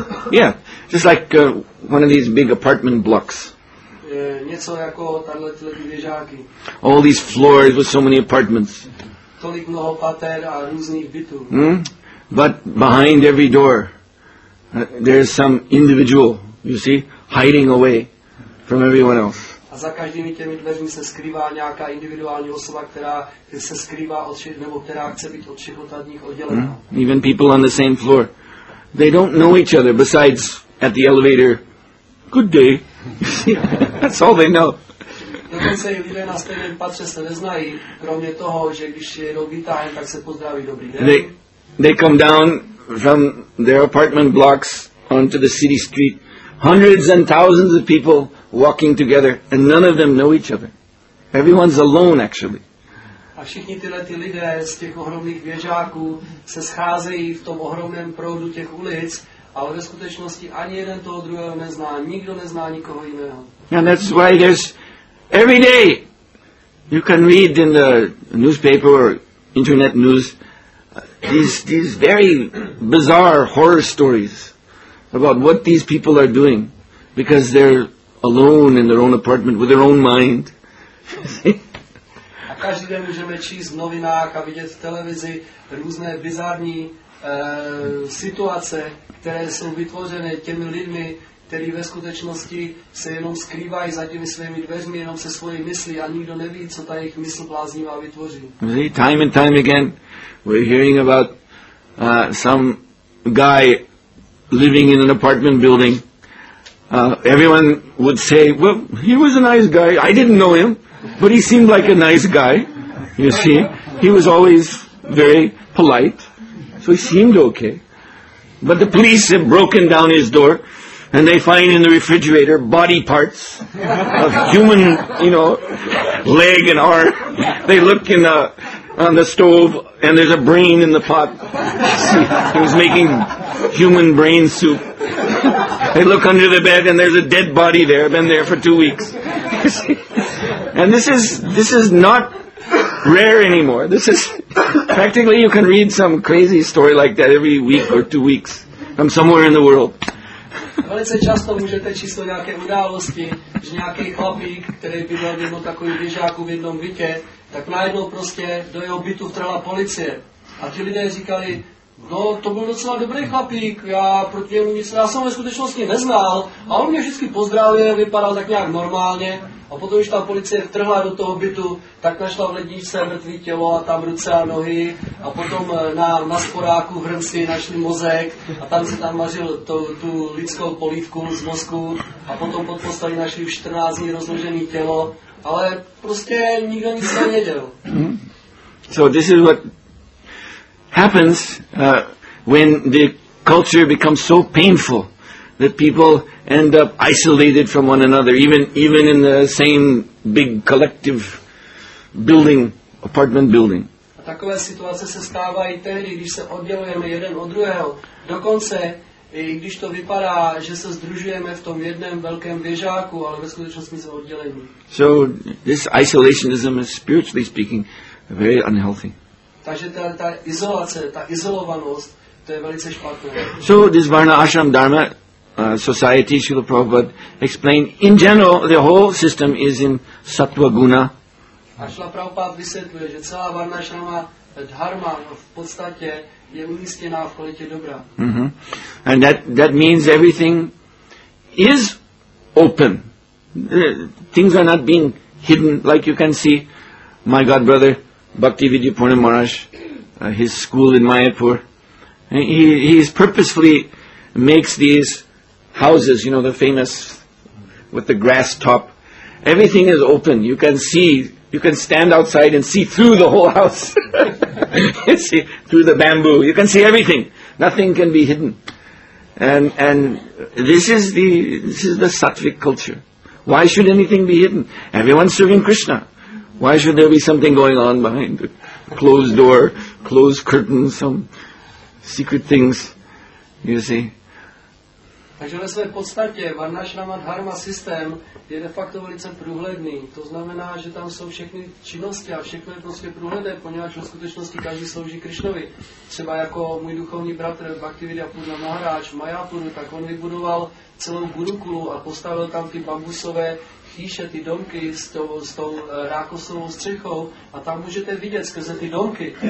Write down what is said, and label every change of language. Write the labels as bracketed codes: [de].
[en] Yeah, just like one of these big apartment blocks. [cs] Něco jako tadyhle ty věžáky. [en] All these floors with so many apartments. [cs] Tolik mnoho pater a různých bytů. Hmm? [en] But behind every door, there is some individual, you see, hiding away from everyone else. [cs] A za každými těmi dveřmi se skrývá nějaká individuální osoba, která se skrývá od všech, nebo která chce být od všech ostatních oddělena. Mm-hmm. [en] Even people on the same floor, they don't know each other besides at the elevator. Good day. That's all they know. [cs] Dokonce i lidé na stejném patře se neznají, kromě toho, že když jedou vytáhnout, tak se pozdraví dobrý den. [en] They come down from their apartment blocks onto the city street. Hundreds and thousands of people walking together, and none of them know each other. Everyone's alone, actually. [cs] A všichni tyhle ty lidé z těch ohromných věžáků se scházejí v tom ohromném proudu těch ulic, ale ve skutečnosti ani jeden toho druhého nezná, nikdo nezná nikoho jiného. [en] And that's why there's every day you can read in the newspaper or internet news these very bizarre horror stories about what these people are doing because they're alone in their own apartment with their own mind. [cs] A každý den můžeme číst v novinách a vidět v televizi různé bizarní situace, které jsou vytvořené těmi lidmi, kteří ve skutečnosti se jenom skrývají za těmi svými dveřmi, jenom se svojí myslí a nikdo neví, co ta jejich mysl bláznivá vytvoří. [en] See, time and time again we're hearing about some guy living in an apartment building. Everyone would say, well, he was a nice guy. I didn't know him, but he seemed like a nice guy. You see, he was always very polite, so he seemed okay. But the police have broken down his door, and they find in the refrigerator body parts of human, you know, leg and arm. They look in the on the stove, and there's a brain in the pot. See, he was making human brain soup. They look under the bed and there's a dead body there, been there for 2 weeks. And this is not rare anymore. This is practically, you can read some crazy story like that every week or 2 weeks from somewhere in the world. [cs] Velice často můžete číst o nějaké události, že nějaký chlapík, který bydlel v jednom takovém věžáku v jednom bytě, tak najednou prostě do jeho bytu vtrhla policie. A ti lidé říkali, no, to byl docela dobrý chlapík, já jsem ve skutečnosti neznal, a on mě vždycky pozdravil, vypadal tak nějak normálně, a potom, když ta policie vtrhla do toho bytu, tak našla v ledničce mrtvý tělo a tam ruce a nohy, a potom na sporáku v hrnci našli mozek, a tam se tam vařil tu lidskou polívku z mozku, a potom pod postelí našli už 14 dní rozložený tělo, ale prostě nikdo nic nevěděl. [en] So this is what happens when the culture becomes so painful that people end up isolated from one another, even in the same big collective building, apartment building. [cs] A takové situace se stává i tehdy, když se oddělujeme jeden od druhého. Dokonce, i když to vypadá, že se združujeme v tom jednom velkém věžáku, ale ve skutečnosti jsme oddělení. [en] So this isolationism is spiritually speaking very unhealthy. [cs] Takže ta izolace, ta izolovanost, to je velice špatné. [en] So this Varna Ashram Dharma society, Srila Prabhupada explained, in general, the whole system is in sattva guna. [cs] A Srila Prabhupada vysvětluje, že celá Varna Ashrama Dharma v podstatě je umístěná v kvalitě dobra. Mm-hmm. [en] And that means everything is open. Things are not being hidden, like you can see my god brother Bhakti Vidya Purna Maharaj, his school in Mayapur. He purposefully makes these houses, you know, the famous with the grass top. Everything is open. You can see, you can stand outside and see through the whole house. You see through the bamboo. You can see everything. Nothing can be hidden. And this is the sattvic culture. Why should anything be hidden? Everyone's serving Krishna. Why should there be something going on behind the closed door, closed curtain, some secret things, you see? [cs] Takže ve své podstatě Varnashrama Dharma systém je de facto velice průhledný. To znamená, že tam jsou všechny činnosti a všechno je prostě průhledné, poněvadž ve skutečnosti každý slouží Krišnovi. Třeba jako můj duchovní bratr Bhaktivedya Purna Maharaj v Mayapuru, tak on vybudoval celou gurukulu a postavil tam ty bambusové chýše, ty domky s tou rákosovou střechou a tam můžete vidět skrze ty domky.